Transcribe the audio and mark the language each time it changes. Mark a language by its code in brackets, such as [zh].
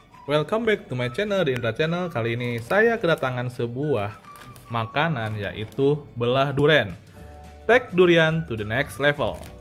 [en] Welcome back to my channel, The Indra Channel. [id] Kali ini saya kedatangan sebuah makanan, yaitu belah durian. [en] Take durian to the next level.